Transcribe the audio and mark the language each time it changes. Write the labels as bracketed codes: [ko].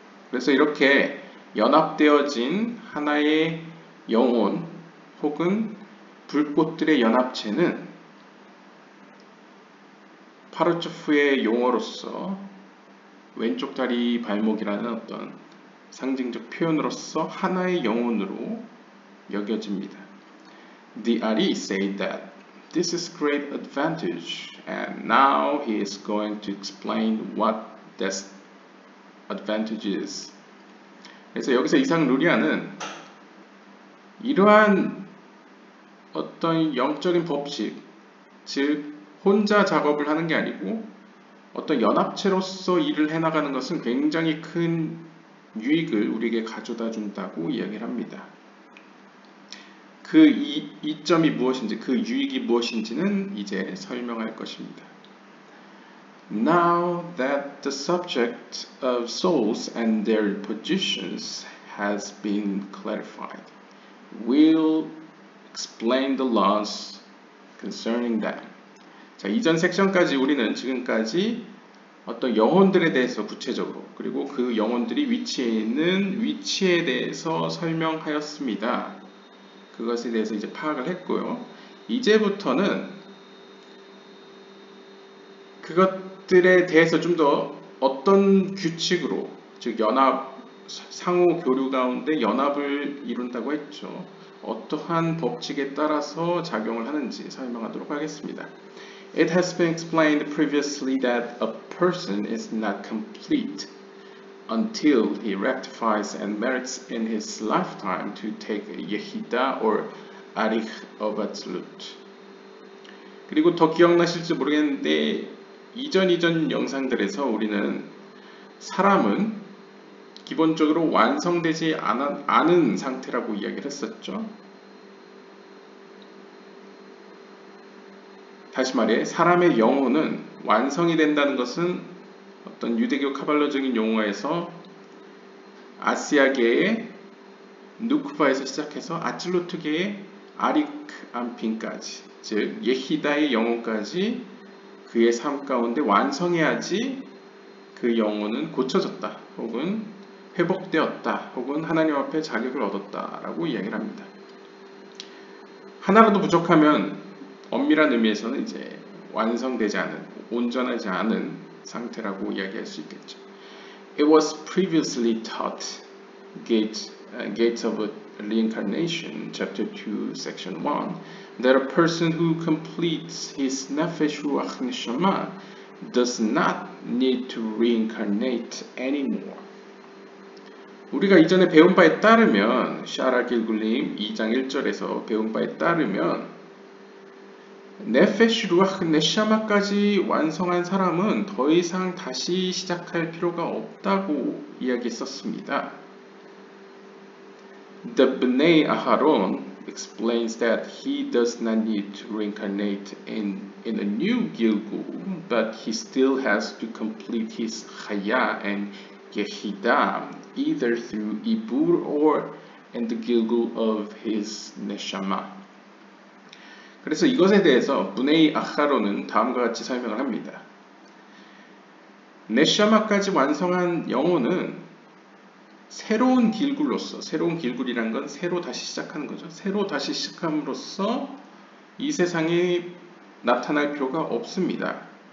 [ko] 그래서 이렇게 연합되어진 하나의 영혼 혹은 불꽃들의 연합체는 파르츠프의 용어로서 왼쪽 다리 발목이라는 어떤 상징적 표현으로서 하나의 영혼으로 여겨집니다. [en] The Ari said that this is great advantage, and now he is going to explain what this advantage is. [ko] 그래서 여기서 이상루리아는 이러한 어떤 영적인 법칙, 즉 혼자 작업을 하는 게 아니고 어떤 연합체로서 일을 해나가는 것은 굉장히 큰 유익을 우리에게 가져다 준다고 이야기를 합니다. 그 이점이 무엇인지, 그 유익이 무엇인지는 이제 설명할 것입니다. [en] Now that the subject of souls and their positions has been clarified, we'll explain the laws concerning them. [ko] 자, 이전 섹션까지 우리는 지금까지 어떤 영혼들에 대해서 구체적으로, 그리고 그 영혼들이 위치해 있는 위치에 대해서 설명하였습니다. 그것에 대해서 이제 파악을 했고요. 이제부터는 그것들에 대해서 좀더 어떤 규칙으로, 즉 연합, 상호 교류 가운데 연합을 이룬다고 했죠. 어떠한 법칙에 따라서 작용을 하는지 설명하도록 하겠습니다. [en] It has been explained previously that a person is not complete until he rectifies and merits in his lifetime to take a yehidah or [ko] 아리흐 어바츠루트. 그리고 더 기억나실지 모르겠는데 이전 영상들에서 우리는 사람은 기본적으로 완성되지 않은 상태라고 이야기를 했었죠. 다시 말해 사람의 영혼은 완성이 된다는 것은 어떤 유대교 카발로적인 용어에서 아시아계의 누쿠바에서 시작해서 아츨루트계의 아리크 안핀까지, 즉 예히다의 영혼까지 그의 삶 가운데 완성해야지 그 영혼은 고쳐졌다 혹은 회복되었다 혹은 하나님 앞에 자격을 얻었다 라고 이야기를 합니다. 하나라도 부족하면 엄밀한 의미에서는 이제 완성되지 않은, 온전하지 않은 상태라고 이야기할 수 있겠죠. [en] It was previously taught Gates of Reincarnation, Chapter 2, Section 1, that a person who completes his nefesh ruach neshama does not need to reincarnate anymore. [ko] 우리가 이전에 배운 바에 따르면, 샤라 길굴림 2장 1절에서 배운 바에 따르면 네페시 루아흐 네샤마까지 완성한 사람은 더 이상 다시 시작할 필요가 없다고 이야기했었습니다. [en] The Bnei Aharon explains that he does not need to reincarnate in a new Gilgul, but he still has to complete his Chaya and Yehida, either through Ibur or in the Gilgul of his Neshama. [ko] 그래서 이것에 대해서 브네이 아하론은 다음과 같이 설명을 합니다. 네샤마까지 완성한 영혼은 새로운 길굴로서, 새로운 길굴이란 건 새로 다시 시작하는 거죠. 새로 다시 시작함으로써 이 세상에 나타날 필요가 없습니다.